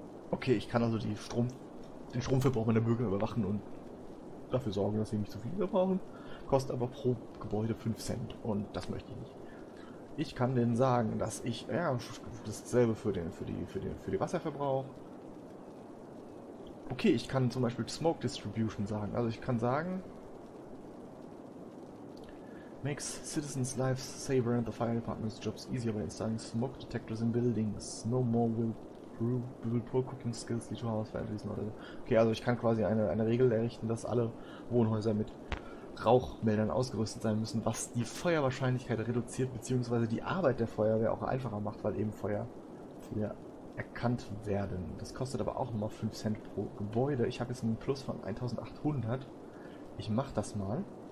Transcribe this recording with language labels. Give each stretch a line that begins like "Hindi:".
German: Okay, ich kann also die Strom, den Stromverbrauch meiner Bürger überwachen und dafür sorgen, dass sie nicht zu viel verbrauchen. Kostet aber pro Gebäude 5 Cent und das möchte ich nicht. Ich kann denen sagen, dass ich, ja, dasselbe für den, für den Wasserverbrauch. Okay, ich kann zum Beispiel Smoke Distribution sagen. Also ich kann sagen,
English: makes citizens' lives safer and the fire department's jobs easier by installing smoke detectors in buildings. No more will poor cooking skills lead to house fatalities.
German: Okay, also ich kann quasi eine Regel errichten, dass alle Wohnhäuser mit Rauchmeldern ausgerüstet sein müssen, was die Feuerwahrscheinlichkeit reduziert, beziehungsweise die Arbeit der Feuerwehr auch einfacher macht, weil eben Feuer für erkannt werden. Das kostet aber auch nochmal 5 Cent pro Gebäude. Ich habe jetzt einen Plus von 1800. Ich mache das mal.